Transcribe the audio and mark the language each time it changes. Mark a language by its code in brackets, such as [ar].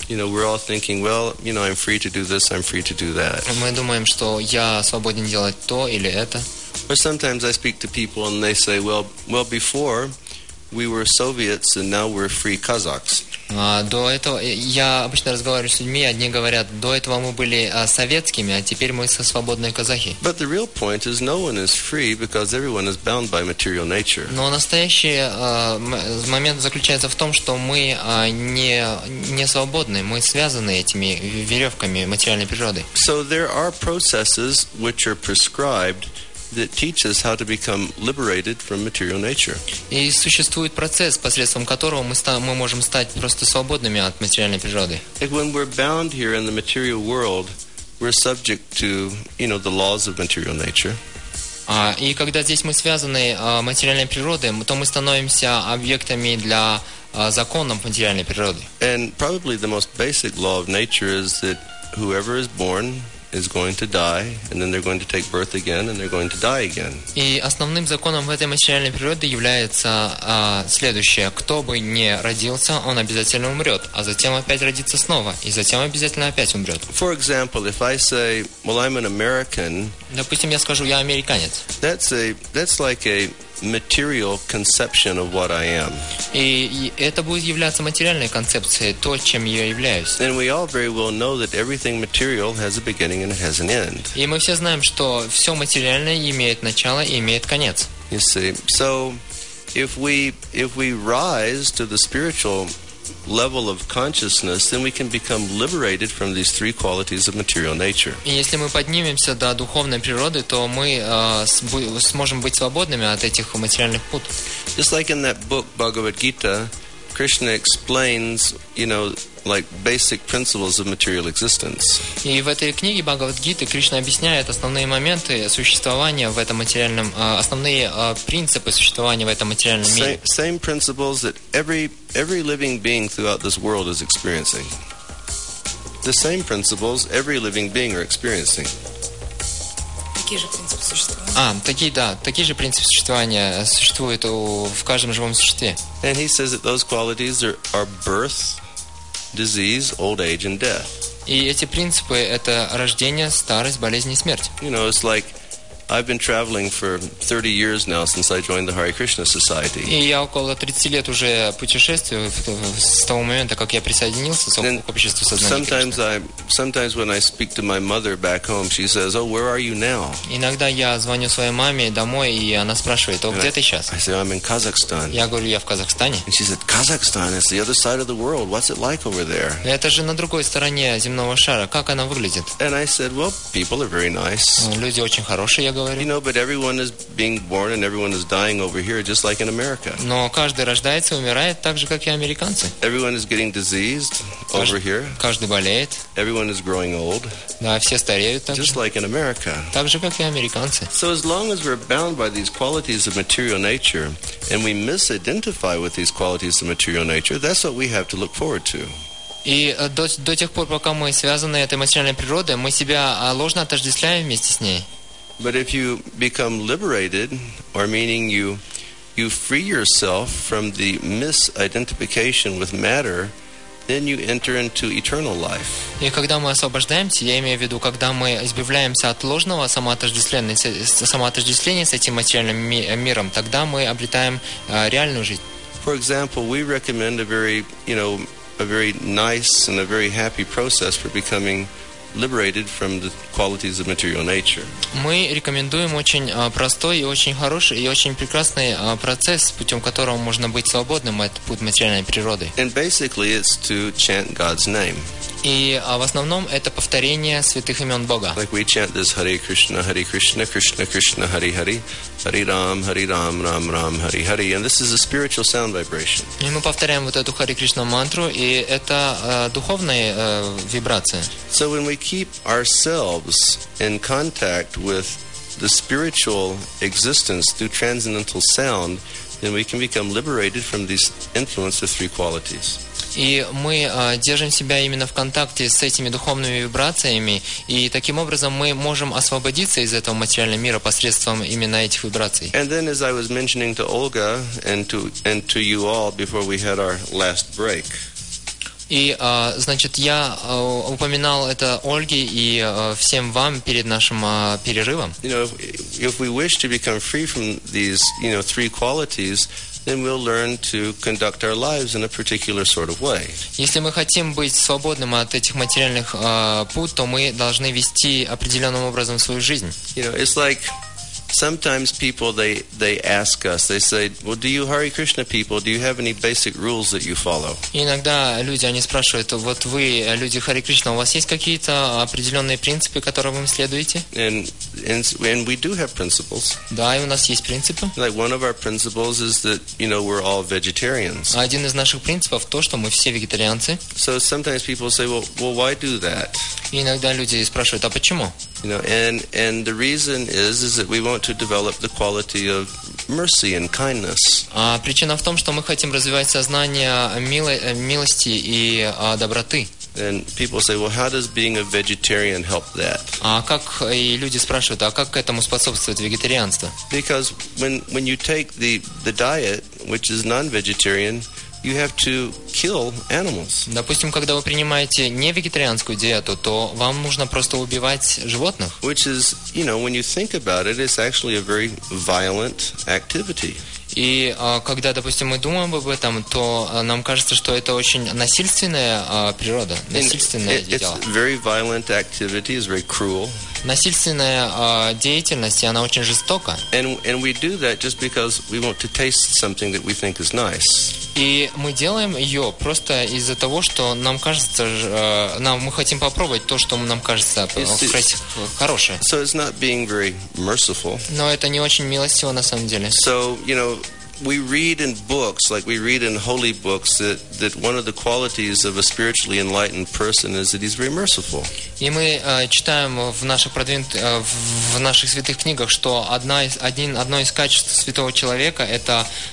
[en] You know, we're all thinking, well, you know, I'm free to do this, I'm free to do that. [ru] Мы думаем, что я свободен делать то или это. [en] Or sometimes I speak to people and they say, well, before we were Soviets and now we're free Kazakhs. [ru] До этого я обычно разговариваю с людьми, одни говорят, до этого мы были советскими, а теперь мы со свободные казахи. [en] But the real point is no one is free because everyone is bound by material nature. [ru] Но настоящий момент заключается в том, что мы не свободны, мы связаны этими веревками материальной природы. [en] So there are processes which are prescribed that teaches how to become liberated from material nature. [ru] И существует процесс, посредством которого мы можем стать просто свободными от материальной природы. [en] And when we're bound here in the material world, we're subject to, you know, the laws of material nature. [ru] И когда здесь мы связаны материальной природой, то мы становимся объектами для законов материальной природы. [en] And probably the most basic law of nature is that whoever is born is going to die, and then they're going to take birth again, and they're going to die again. [ru] И основным законом в этой материальной природе является следующее: кто бы ни родился, он обязательно умрет, а затем опять родится снова, и затем обязательно опять умрет. [en] For example, if I say, "Well, I'm an American," [ru] допустим, я скажу, я американец. [en] That's like a material conception of what I am. [ru] И это будет являться материальной концепцией, то, чем я являюсь. [en] And we all very well know that everything material has a beginning and has an end. [ru] И мы все знаем, что все материальное имеет начало и имеет конец. [en] You see, so if we rise to the spiritual level of consciousness, then we can become liberated from these three qualities of material nature. [ru] И если мы поднимемся до духовной природы, то мы сможем быть свободными от этих материальных пут. [en] Just like in that book Bhagavad Gita, Krishna explains, you know, like basic principles of material existence. [ru] И в этой книге Бхагавад Гиты Кришна объясняет основные моменты существования в этом материальном, основные принципы существования в этом материальном мире. [en] Same principles that every living being throughout this world is experiencing. The same principles every living being are experiencing. [ru] Такие же принципы существования существуют в каждом живом существе. [en] And he says that those qualities are birth, disease, old age, and death. [ru] И эти принципы — это рождение, старость, болезнь и смерть. [en] You know, it's like I've been traveling for 30 years now since I joined the Hare Krishna Society. [ru] И я около 30 лет уже путешествую с того момента, как я присоединился к обществу сознания Кришны. [en] Sometimes when I speak to my mother back home, she says, "Oh, where are you now?" [ru] Иногда я звоню своей маме домой, и она спрашивает: "О, где ты сейчас?" [en] I say, "I'm in Kazakhstan." [ru] Я говорю: "Я в Казахстане." [en] And she said, "Kazakhstan is the other side of the world. What's it like over there?" [ru] Это же на другой стороне земного шара. Как она выглядит? [en] And I said, "Well, people are very nice." [ru] Люди очень хорошие. [en] You know, but everyone is being born and everyone is dying over here, just like in America. [ru] Но каждый рождается и умирает так же, как и американцы. [en] Everyone is getting diseased over here. [ru] Каждый болеет. [en] Everyone is growing old. [ru] Да, все стареют так же. [en] Just like in America. [ru] Так же, как и американцы. [en] So as long as we're bound by these qualities of material nature and we misidentify with these qualities of material nature, that's what we have to look forward to. [ru] И до тех пор, пока мы связаны этой материальной природой, мы себя ложно отождествляем вместе с ней. [en] But if you become liberated, or meaning you free yourself from the misidentification with matter, then you enter into eternal life. [ru] И когда мы освобождаемся, я имею в виду, когда мы избавляемся от ложного самоотождествления с этим материальным миром, тогда мы обретаем реальную жизнь. [en] For example, we recommend a very nice and a very happy process for becoming liberated from the qualities of material nature. [ru] Мы рекомендуем очень простой и очень хороший и очень прекрасный процесс, путем которого можно быть свободным от пут материальной природы. [en] And basically, it's to chant God's name. [ru] И в основном это повторение святых имен Бога. [en] Like we chant this Hare Krishna, Hare Krishna, Krishna Krishna, Hare Hare, Hare Ram, Hare Ram, Ram Ram, Hare Hare, and this is a spiritual sound vibration. [ru] И мы повторяем вот эту Hare Krishna мантру, и это духовная вибрация. [en] So when we keep ourselves in contact with the spiritual existence through transcendental sound, then we can become liberated from these influences of three qualities. [ru] И мы держим себя именно в контакте с этими духовными вибрациями, и таким образом мы можем освободиться из этого материального мира посредством именно этих вибраций. [en] And then, as I was mentioning to Olga and to you all before we had our last break. [ru] И, значит, я упоминал это Ольге и всем вам перед нашим перерывом. [en] You know, if we wish to become free from these, you know, three qualities, then we'll learn to conduct our lives in a particular sort of way. [ru] Если мы хотим быть свободным от этих материальных пут, то мы должны вести определенным образом свою жизнь. [en] You know, it's like Sometimes people, they ask us, they say, well, do you Hare Krishna people, do you have any basic rules that you follow? [ru] Иногда люди, они спрашивают, вот вы, люди Hare Krishna, у вас есть какие-то определенные принципы, которым вы следуете? [en] And we do have principles. [ru] Да, и у нас есть принципы. [en] Like one of our principles is that, you know, we're all vegetarians. [ru] Один из наших принципов то, что мы все вегетарианцы. [en] So sometimes people say, well, why do that? [ru] Иногда люди спрашивают, а почему? [en] You know, and the reason is that we want to develop the quality of mercy and kindness. [ru] А причина в том, что мы хотим развивать сознание милости и доброты. [en] And people say, well, how does being a vegetarian help that? [ru] А как и люди спрашивают, а как к этому способствует вегетарианство? [en] Because when you take the diet, which is non-vegetarian, you have to kill animals. [ru] Допустим, когда вы принимаете не вегетарианскую диету, то вам нужно просто убивать животных. [en] Which is, you know, when you think about it, it's actually a very violent activity. [ru] И когда, допустим, мы думаем об этом, то нам кажется, что это очень насильственная природа, насильственное дело. [en] It's very violent activity, it's very cruel. [ru] Насильственная деятельность, и она очень жестока. [en] And we do that just because we want to taste something that we think is nice. [ru] И мы делаем ее просто из-за того, что нам кажется, мы хотим попробовать то, что нам кажется хорошее. [en] So it's not being very merciful. [ru] Но это не очень милостиво на самом деле. [en] So, you know, we read in books, like we read in holy books, that one of the qualities of a spiritually enlightened person is that he's very merciful. [ru] И мы читаем в наших святых книгах, что одно из качеств святого человека это